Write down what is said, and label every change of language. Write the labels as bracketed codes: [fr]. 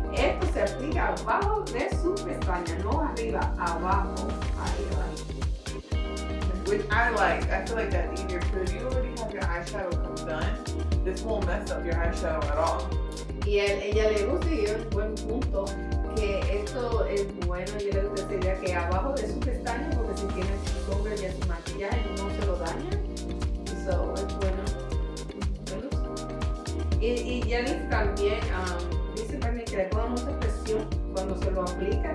[es] Esto se aplica abajo de su pestaña, no arriba, abajo. Ahí va. [en] Which I like. I feel like that's easier because you already have your eyeshadow done. This won't mess up your eyeshadow at all. [es] Y a ella le gusta y es buen punto que esto es bueno. Yo le gustaría que abajo de sus pestañas, porque si tiene su sombra y su maquillaje, no se lo daña. So, es bueno. Me gusta. Y Yelly también dice también que le pone mucha presión cuando se lo aplica.